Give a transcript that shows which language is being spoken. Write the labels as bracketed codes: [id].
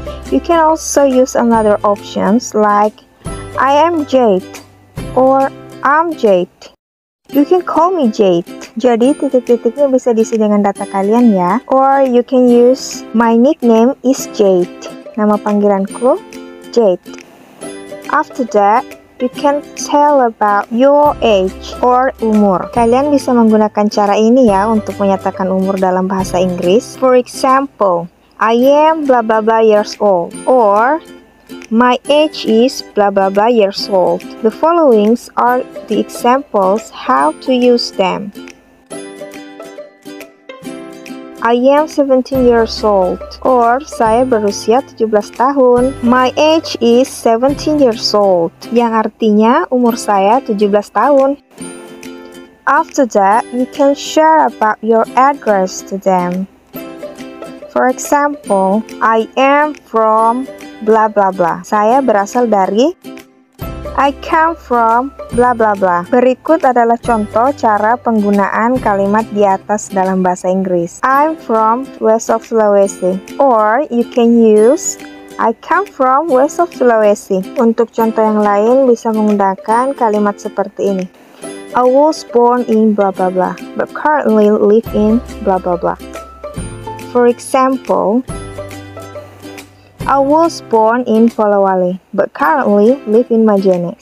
[en] You can also use another options like I am Jade or I'm Jade. You can call me Jade. [id] Jadi titik-titiknya bisa diisi dengan data kalian ya. [en] Or you can use my nickname is Jade. [id] Nama panggilanku Jade. [en] After that, you can tell about your age or umur. [id] Kalian bisa menggunakan cara ini ya untuk menyatakan umur dalam bahasa Inggris. [en] For example, I am blah blah blah years old. Or my age is blah blah blah years old. The following are the examples how to use them. I am 17 years old. Or, [id] saya berusia 17 tahun. [en] My age is 17 years old. [id] Yang artinya, umur saya 17 tahun. [en] After that, you can share about your address to them. For example, I am from blah blah blah. [id] Saya berasal dari [en] I come from blah blah blah. [id] Berikut adalah contoh cara penggunaan kalimat di atas dalam bahasa Inggris. [en] I'm from west of Sulawesi. Or you can use I come from west of Sulawesi. [id] Untuk contoh yang lain bisa menggunakan kalimat seperti ini. [en] I was born in blah blah blah, but currently live in blah blah blah. For example, I was born in Polewali, but currently live in Majene.